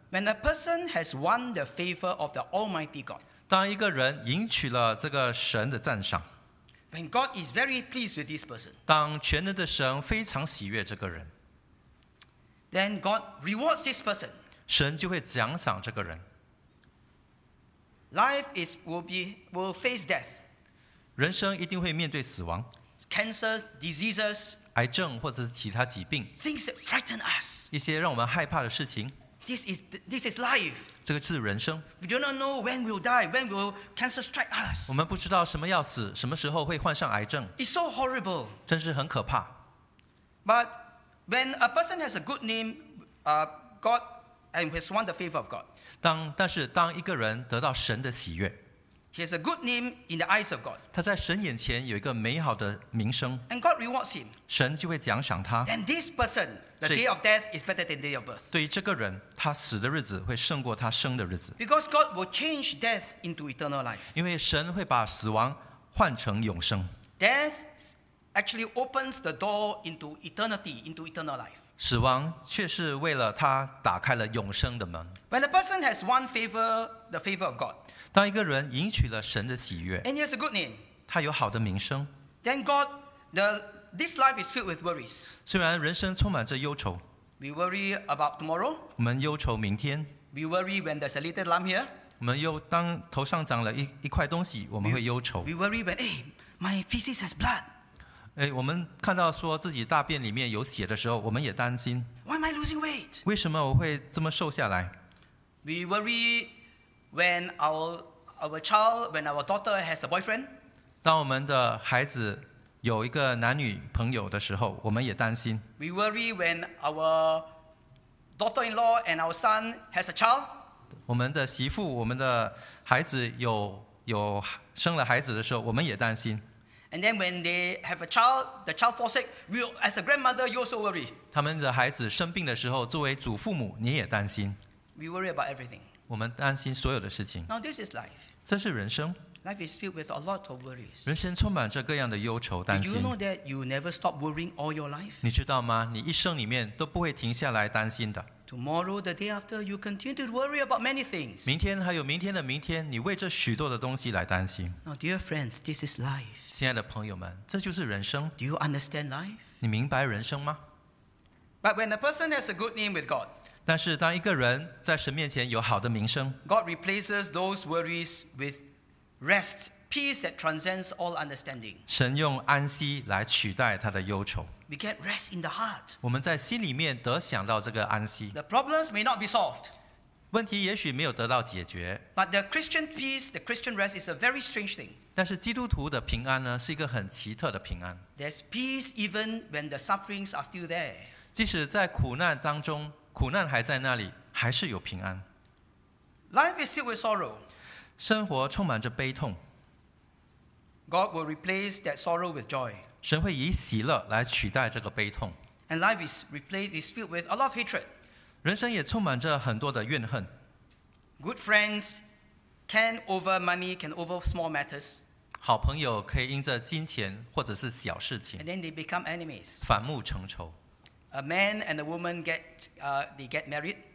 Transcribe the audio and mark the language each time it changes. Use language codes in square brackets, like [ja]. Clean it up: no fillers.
[en] When a person has won the favor of the Almighty God. [zh] 当一个人赢取了这个神的赞赏。 [en] When God is very pleased with this person. [zh] 当全能的神非常喜悦这个人。 [en] Then God rewards this person. [zh] 神就会奖赏这个人。 [en] Life will face death. [zh] 人生一定会面对死亡。 [en] Cancer, diseases, [zh] 癌症或者是其他疾病。 [en] Things that frighten us. [zh] 一些让我们害怕的事情。 [en] This is life. [zh] 这个是人生。 [en] We do not know when we'll die, when will cancer strike us. [zh] 我们不知道什么要死，什么时候会患上癌症。 [en] It's so horrible. [zh] 真是很可怕。 [en] But when a person has a good name, God and has won the favor of God. [zh] 但是当一个人得到神的喜悦。 [en] He has a good name in the eyes of God. [zh] 他在神眼前有一个美好的名声。 [en] And God rewards him. [zh] 神就会奖赏他。 [en] Then this person, the day of death is better than the day of birth. [zh] 对于这个人，他死的日子会胜过他生的日子。 [en] Because God will change death into eternal life. [zh] 因为神会把死亡换成永生。 [en] Death actually opens the door into eternity, into eternal life. [zh] 死亡却是为了他打开了永生的门。 [en] When a person has won favor, the favor of God. [zh] 当一个人赢取了神的喜悦 [en] and he has a good name, [zh] 他有好的名声 [en] then God, this life is filled with worries. [zh] 虽然人生充满着忧愁 [en] we worry about tomorrow, [zh] 我们忧愁明天 [en] we worry when there's a little lump here, [zh] 我们又当头上长了 一块东西我们会忧愁 [en] we worry when, hey, my feces has blood. [zh] 我们看到说自己大便里面有血的时候我们也担心 [en] why am I losing weight? [zh] 为什么我会这么瘦下来 [en] we worryWhen our daughter has a boyfriend, [zh] 当我们的孩子有一个男女朋友的时候，我们也担心。 [en] We worry when our daughter-in-law and our son has a child. [zh] 我们的媳妇、我们的孩子有生了孩子的时候，我们也担心。 [en] And then when they have a child, the child falls sick. We, as a grandmother, you also worry. [zh] 他们的孩子生病的时候，作为祖父母，你也担心。 [en] We worry about everything. [zh] 我们担心所有的事情。 [en] Now this is life. [zh] 这是人生。 [en] Life is filled with a lot of worries. [zh] 人生充满着各样的忧愁担心。 [en] Do you know that you never stop worrying all your life? [zh] 你知道吗？你一生里面都不会停下来担心的。 [en] Tomorrow, the day after, you continue to worry about many things. [zh] 明天还有明天的明天，你为这许多的东西来担心。 [en] Now, dear friends, this is life. [zh] 亲爱的朋友们，这就是人生。 [en] Do you understand life? [zh] 你明白人生吗？ [en] But when a person has a good name with God. [zh] 但是当一个人在神面前有好的名声 [en] God replaces those worries with rest, peace that transcends all understanding. [zh] 神用安息来取代他的忧愁 [en] We get rest in the heart. [zh] 我们在心里面得享到这个安息 [en] The problems may not be solved. [zh] 问题也许没有得到解决 [en] But the Christian peace, the Christian rest is a very strange thing. [zh] 但是基督徒的平安呢，是一个很奇特的平安 [en] There's peace even when the sufferings are still there. [zh] 即使在苦难当中苦难还在那里，还是有平安。 [en] Life is filled with sorrow. [zh] 生活充满着悲痛。 [en] God will replace that sorrow with joy. [zh] 神会以喜乐来取代这个悲痛。 [en] And life is filled with a lot of hatred. [zh] 人生也充满着很多的怨恨。 [en] Good friends can over money, can over small matters. [zh] 好朋友可以因着金钱或者是小事情。 [en] And then they become enemies. [zh] 反目成仇。 [en] A man and a woman get married.